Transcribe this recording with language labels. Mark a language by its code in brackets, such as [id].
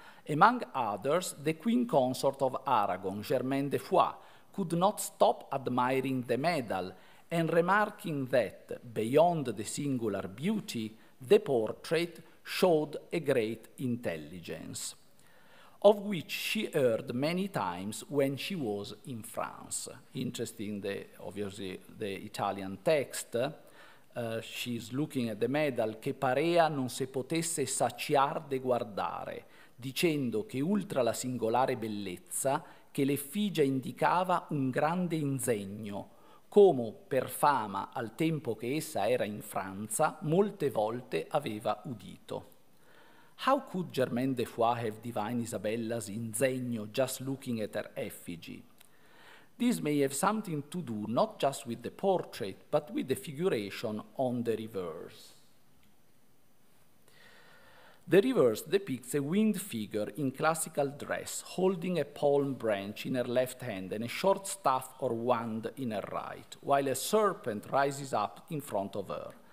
[en] Among others, the queen consort of Aragon, Germaine de Foix, could not stop admiring the medal and remarking that, beyond the singular beauty, the portrait showed a great intelligence, of which she heard many times when she was in France. Interesting, obviously, the Italian text. She's looking at the medal, [it] che parea non se potesse saciar de guardare, dicendo che ultra la singolare bellezza, che l'effigia indicava un grande insegno, come per fama al tempo che essa era in Francia molte volte aveva udito. [en] How could Germaine de Foix have divined Isabella's insegno just looking at her effigy? This may have something to do not just with the portrait, but with the figuration on the reverse. The reverse depicts a winged figure in classical dress, holding a palm branch in her left hand and a short staff or wand in her right, while a serpent rises up in front of her.